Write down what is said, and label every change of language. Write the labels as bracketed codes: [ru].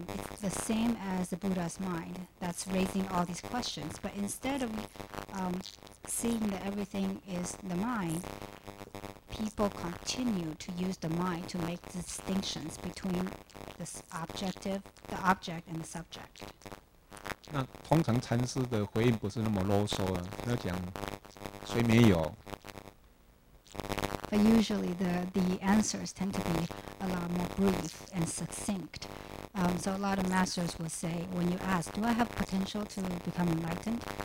[en] It's the same as the Buddha's mind that's raising all these questions. But instead of seeing that everything is the mind, people continue to use the mind to make distinctions between this objective, the object and the subject. [zh] 那通常禅师的回应不是那么啰嗦，要讲谁没有。 [en] But usually the answers tend to be a lot more brief and succinct. So a lot of masters will say, when you ask, do I have potential to become enlightened?